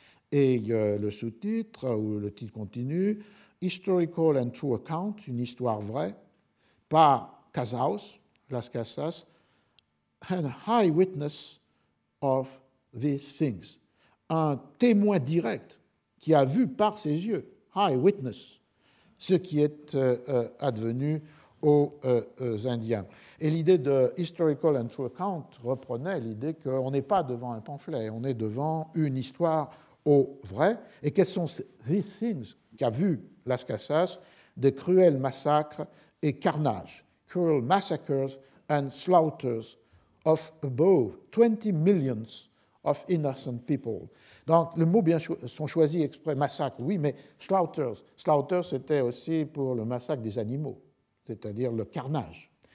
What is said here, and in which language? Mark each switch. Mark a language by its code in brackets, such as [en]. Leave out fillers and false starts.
[fr] Et le sous-titre, ou le titre continue, « [en] Historical and True Account [fr] », une histoire vraie, par Casaus, Las Casas, « [en] An High Witness of These Things [fr] », un témoin direct qui a vu par ses yeux, [en] high witness, [fr] ce qui est advenu aux Indiens. Et l'idée de [en] historical and true account [fr] reprenait l'idée qu'on n'est pas devant un pamphlet, on est devant une histoire au vrai. Et quels sont les things qu'a vu Las Casas? Des cruels massacres et carnages. [en] Cruel massacres and slaughters of above 20 millions of innocent people. [fr] Donc, le mot bien sont choisis exprès, massacre, oui, mais slaughters. Slaughters, c'était aussi pour le massacre des animaux, c'est-à-dire le carnage.